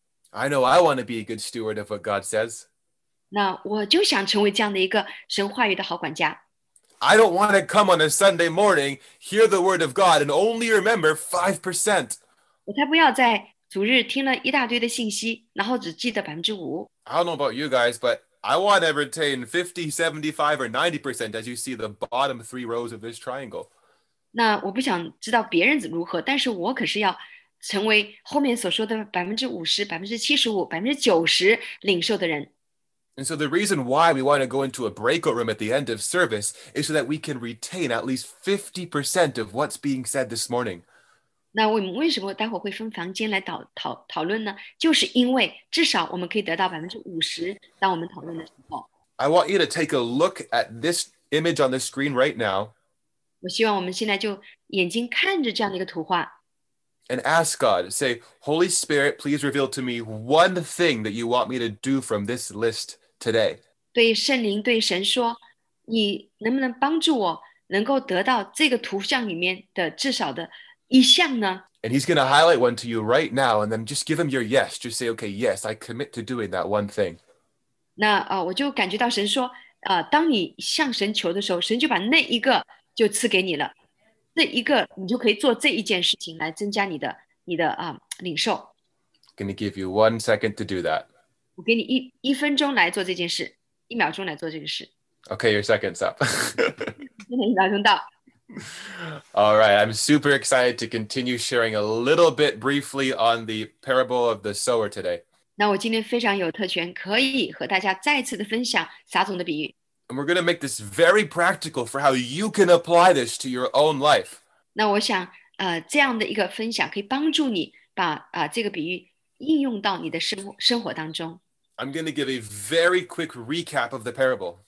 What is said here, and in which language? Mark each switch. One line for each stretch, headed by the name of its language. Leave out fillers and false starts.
English: I know I want to be a good steward of what God says.
Chinese: 那我就想成为这样的一个神话语的好管家。
English: I don't want to come on a Sunday morning, hear the word of God, and only remember 5%.
Chinese: 我才不要在主日听了一大堆的信息，然后只记得5%。
English: I don't know about you guys, but... I want to retain 50, 75, or 90% as you see the bottom three rows of this triangle.
Chinese: 那我不想知道别人如何，但是我可是要成为后面所说的50%、75%、90%领受的人。
English: And so the reason why we want to go into a breakout room at the end of service is so that we can retain at least 50% of what's being said this morning.
Chinese: 那我们为什么待会会分房间来讨论呢？就是因为至少我们可以得到50%，当我们讨论的时候。
English: I want you to take a look at this image on the screen right now.
Chinese: 我希望我们现在就眼睛看着这样的一个图画。
English: And ask God, say, Holy Spirit, please reveal to me one thing that you want me to do from this list today.
Chinese: 对圣灵，对神说，你能不能帮助我能够得到这个图像里面的至少的。
English: And he's going to highlight one to you right now, and then just give him your yes. Just say, okay, yes, I commit to doing that one thing.
Chinese: 那我就感觉到神说，当你向神求的时候，神就把那一个就赐给你了。这一个你就可以做这一件事情来增加你的领受。
English: Going to give you 1 second to do that.
Chinese: 我给你一分钟来做这件事，一秒钟来做这个事。
English: Okay, your second's up.
Chinese: 现在一秒钟到。
English: All right, I'm super excited to continue sharing a little bit briefly on the parable of the sower today.
Chinese: 那我今天非常有特权，可以和大家再次的分享撒种的比喻。
English: And we're going to make this very practical for how you can apply this to your own life.
Chinese: 那我想，这样的一个分享可以帮助你把，这个比喻应用到你的生活当中。
English: I'm going to give a very quick recap of the parable.